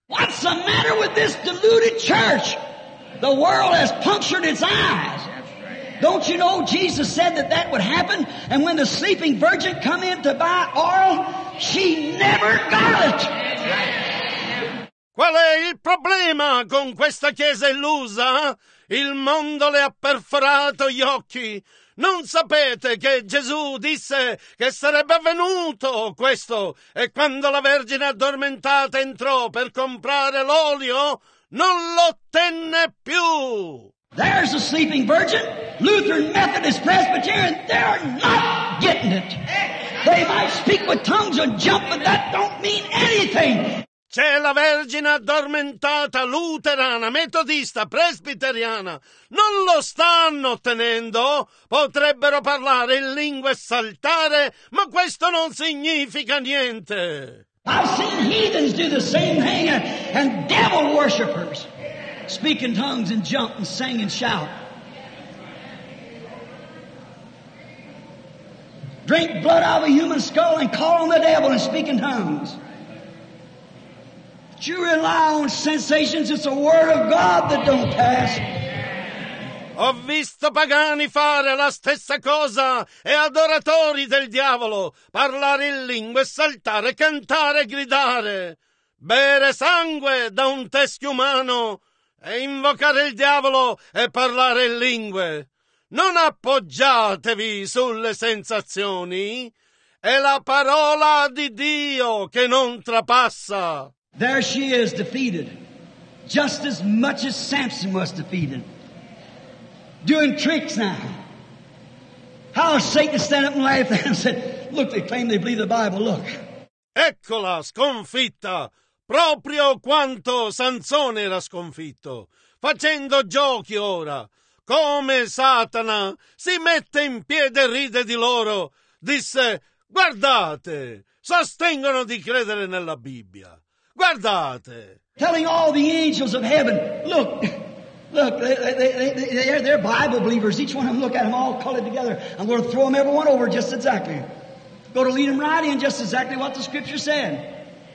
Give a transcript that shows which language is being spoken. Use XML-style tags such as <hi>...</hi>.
<en>What's the matter with this deluded church? The world has punctured its eyes. Don't you know Jesus said that that would happen? And when the sleeping virgin come in to buy oil, she never got it.</en> <it>Qual è il problema con questa chiesa illusa? Il mondo le ha perforato gli occhi. Non sapete che Gesù disse che sarebbe avvenuto questo? E quando la vergine addormentata entrò per comprare l'olio, non l'ottenne più.</it> <en>There's a sleeping virgin, Lutheran, Methodist, Presbyterian, they're not getting it. They might speak with tongues or jump, but that don't mean anything.</en> <it>C'è la vergine addormentata, luterana, metodista, presbiteriana. Non lo stanno ottenendo. Potrebbero parlare in lingua e saltare, ma questo non significa niente.</it> <en>I've seen heathens do the same thing and devil worshippers. Speak in tongues and jump and sing and shout. Drink blood out of a human skull and call on the devil and speak in tongues. But you rely on sensations, it's the word of God that don't pass.</en> <it>Ho visto pagani fare la stessa cosa e adoratori del diavolo parlare in lingua e saltare, cantare e gridare. Bere sangue da un teschio umano e invocare il diavolo e parlare in lingue. Non appoggiatevi sulle sensazioni, è la parola di Dio che non trapassa.</it> <en>There she is defeated, just as much as Samson was defeated. Doing tricks now. How Satan stand up and laugh and said, look, they claim they believe the Bible, look.</en> <it>Eccola sconfitta, proprio quanto Sansone era sconfitto, facendo giochi ora. Come Satana si mette in piedi e ride di loro, disse, guardate, sostengono di credere nella Bibbia. Guardate.</it> <en>Telling all the angels of heaven, look, they're Bible believers, each one of them, look at them all colored together. I'm going to throw them every one over just exactly. Go to lead them right in just exactly what the scripture said.</en>